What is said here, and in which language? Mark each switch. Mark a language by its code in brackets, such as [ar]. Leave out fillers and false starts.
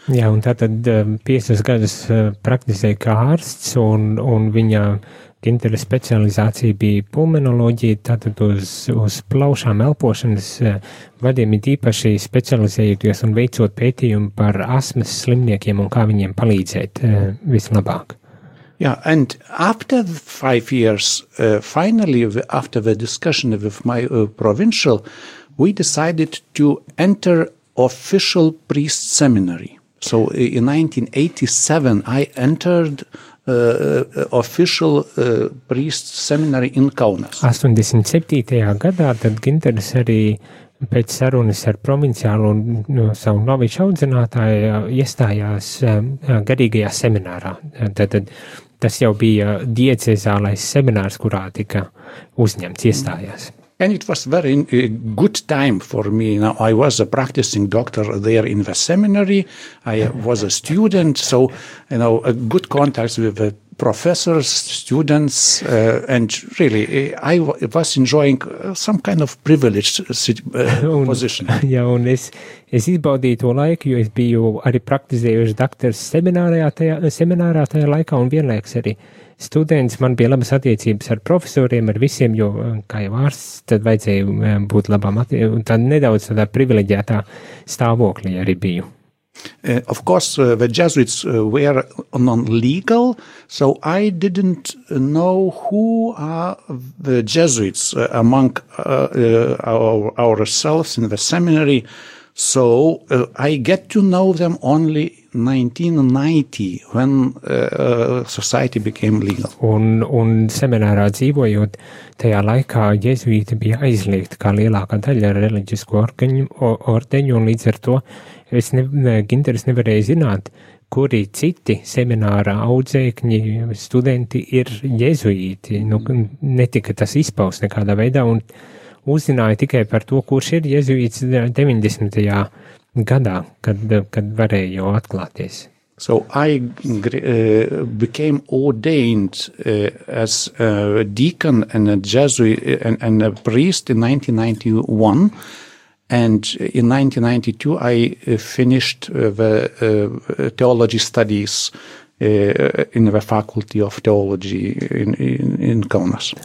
[lv] Jā, un tātad 50 gadus praktizēja kā ārsts, un viņa Gintera specializācija bija pulmonoloģija, tātad uz plaušām elpošanas vadiem ir īpaši specializējoties un veicot pētījumu par asmas slimniekiem un kā viņiem palīdzēt vislabāk. [en] Yeah, and after 5 years, finally, after the discussion with my provincial, we decided to enter official priest seminary. So in 1987, I entered official priest seminary in Kaunas. 87. [lv] Gadā, tad Ginters arī pēc sarunas ar provinciālu un savu noviču audzinātāju iestājās garīgajā seminārā. Tad tas jau bija diecezālais seminārs, kurā tika uzņemts, iestājās. [en] And it was very good time for me. Now, I was a practicing doctor there in the seminary. I was a student, so, you know, a good contact with the professors, students, and really, I was enjoying some kind of privileged position. [lv] Jā, un es izbaudīju to laiku, jo es biju arī praktizējuši doktors seminārā tajā laikā, un vienlaiks arī students, man bija labas attiecības ar profesoriem, ar visiem, jo, kā jau ārsts, tad vajadzēja būt labām attiecībām, tad nedaudz tādā privileģētā stāvoklī arī biju. [en] Of course, the Jesuits were non-legal, so I didn't know who are the Jesuits among ourselves in the seminary, so I get to know them only 1990, when society became legal. [lv] Un seminārā dzīvojot, tajā laikā jezuīti bija aizliegti kā lielākā daļa reliģisko ordeņu, un līdz ar to Ginters nevarēja zināt, kuri citi seminārā audzēkņi, studenti ir jezuīti. Nu, netika tas izpaust nekādā veidā, un uzzināja tikai par to, kurš ir jezuīts 90. Gadā, kad varēja jau atklāties. [en] So I became ordained as a deacon and a Jesuit and a priest in 1991, and in 1992 I finished the theology studies in the faculty of theology in Kaunas.